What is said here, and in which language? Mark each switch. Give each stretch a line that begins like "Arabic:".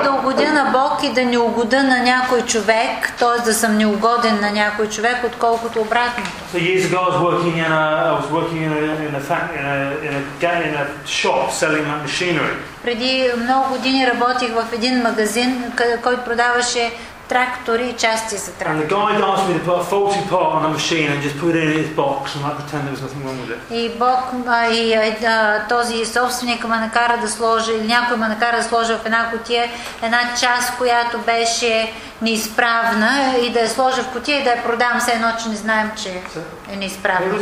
Bulgarian: да угодя на Бог и да не угодя на някой човек, т.е. да съм неугоден на някой човек, отколкото обратно.
English: So years ago I was working in a shop selling machinery.
Bulgarian: Преди много години работих в един магазин, който продаваше трактори и части за трактори.
English: And the guy asked me to put a faulty part on the machine and just put it in his box and like pretend there was nothing wrong with it.
Bulgarian: И Бог и този собственик ме накара да сложа, или някой ме накара да сложа в една кутия една част, която беше неисправна, и да я сложа в кутия и да я продавам, все едно, че не знаем, че е неисправна.